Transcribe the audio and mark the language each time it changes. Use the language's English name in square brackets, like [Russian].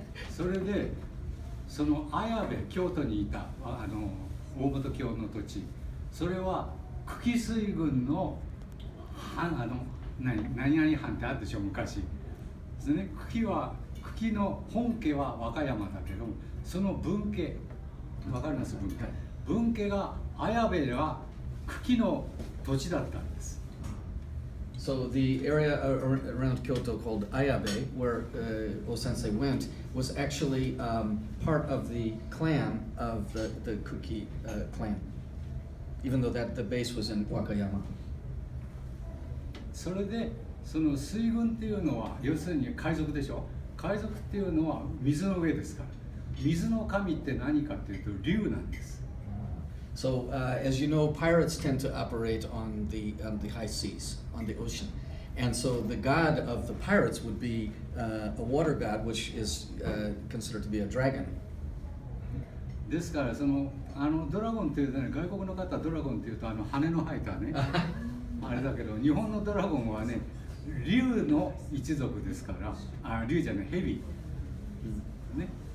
[Japanese] それで、その綾部、京都にいた、あの、大本教の土地、それは Kuki Suigun の藩、あの、何々藩ってあるでしょ、昔。ですね、Kukiは、Kuki の本家は和歌山だけど、その分家、わかります分家。分家が綾部では Kuki の土地だったんです。 [English] So the area around Kyoto called Ayabe, where O-sensei went, was actually part of the clan of the Kuki clan. Even though that the base was in Wakayama. [Japanese] それで、その水軍っていうのは、要するに海賊でしょ。海賊っていうのは水の上ですから。水の神って何かっていうと竜なんです。 [English] So, as you know, pirates tend to operate on the high seas, on the ocean. And so the god of the pirates would be a water god, which is considered to be a dragon. [Japanese] ですから、あのドラゴンっていうね、外国の方ドラゴンっていうとあの羽の生えたね。あれだけど、日本のドラゴンはね、竜の一族ですから、あ、竜じゃない、蛇、ね。